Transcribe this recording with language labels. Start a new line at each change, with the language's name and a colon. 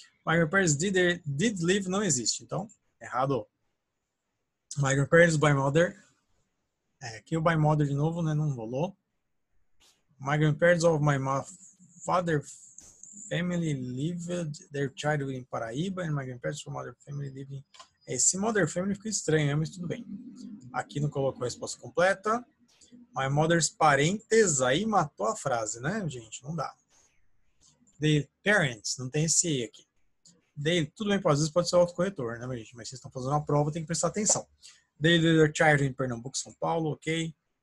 English: My grandparents did live,
Portuguese: não existe. Então, errado.
English: My grandparents by mother.
Portuguese: É, aqui o by mother de novo, né? Não rolou.
English: My grandparents of my father family lived their childhood in Paraíba. And my grandparents from mother family lived in...
Portuguese: Esse mother family ficou estranho, mas tudo bem. Aqui não colocou a resposta completa.
English: My mother's parentes.
Portuguese: Aí matou a frase, né, gente? Não dá.
English: The parents.
Portuguese: Não tem esse E aqui. They, tudo bem, às vezes pode ser autocorretor, né, gente? Mas vocês estão fazendo uma prova, tem que prestar atenção.
English: They lived their childhood in Pernambuco, São Paulo, ok.